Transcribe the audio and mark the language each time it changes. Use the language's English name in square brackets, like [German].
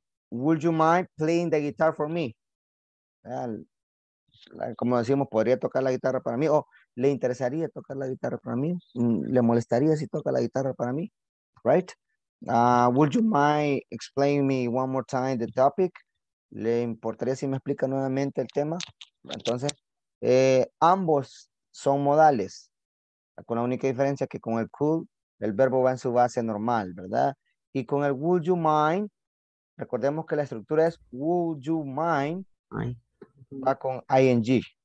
[English] Would you mind playing the guitar for me? [Spanish] Como decimos, ¿podría tocar la guitarra para mí? O, ¿le interesaría tocar la guitarra para mí? ¿Le molestaría si toca la guitarra para mí? [English] Right? Would you mind explain me one more time the topic? [Spanish] ¿Le importaría si me explica nuevamente el tema? Entonces, ambos son modales, con la única diferencia que con el could, el verbo va en su base normal, ¿verdad? Y con el would you mind, recordemos que la estructura es would you mind, va con ing.